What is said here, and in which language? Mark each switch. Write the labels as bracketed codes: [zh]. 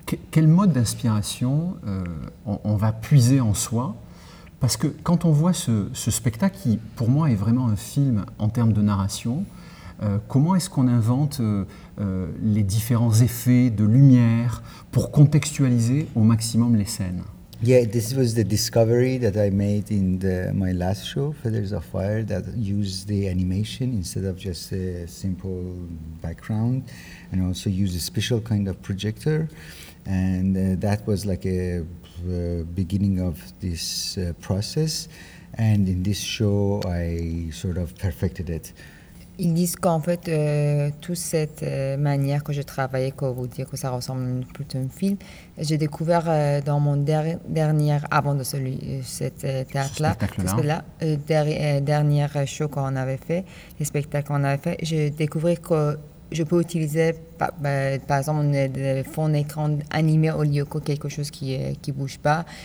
[fr] Quel mode d'inspiration on va puiser en soi? Parce que quand on voit ce spectacle, qui pour moi est vraiment un film en termes de narration, comment est-ce qu'on invente les différents effets de lumière pour contextualiser au maximum les scènes? [en] Yeah, this was the discovery that I made in my last show, Feathers of Fire, that used the animation instead of just a simple background, and also used a special kind of projector, and that was like a beginning of this process, and in this show I sort of perfected it. [fr] Ils disent qu'en fait, toute cette manière que je travaillais, que vous dire que ça ressemble plutôt à un film, j'ai découvert dans mon dernier, avant de cet théâtre-là, dernier show qu'on avait fait, les spectacles qu'on avait fait, j'ai découvert que je peux utiliser, par exemple, un fond d'écran animé au lieu que quelque chose qui ne bouge pas.